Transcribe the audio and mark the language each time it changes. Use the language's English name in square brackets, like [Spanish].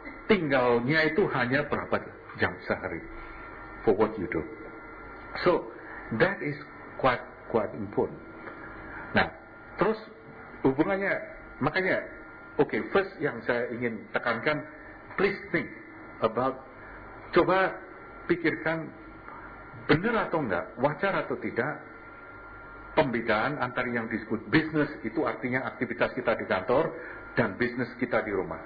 [Indonesian] Tinggalnya itu hanya berapa jam sehari. [English] For what you do. So, that is quite important. [Indonesian] Nah, terus hubungannya, makanya, okay, first yang saya ingin tekankan, [English] please think about, [Indonesian] coba pikirkan benar atau enggak, wajar atau tidak, pembedaan antara yang disebut business, itu artinya aktivitas kita di kantor, dan business kita di rumah.